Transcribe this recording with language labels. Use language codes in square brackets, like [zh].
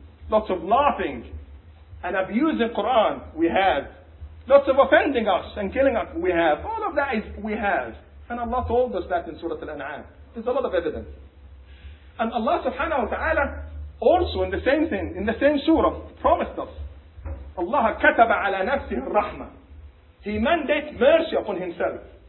[en] Lots of laughing and abusing Quran, we have. Lots of offending us and killing us, we have. All of that is, we have. And Allah told us that in Surah Al-An'am. There's a lot of evidence. And Allah subhanahu wa ta'ala also in the same thing, in the same surah, promised us. [ar] Allah كتب على نفسه الرحمة. [en] He mandates mercy upon himself.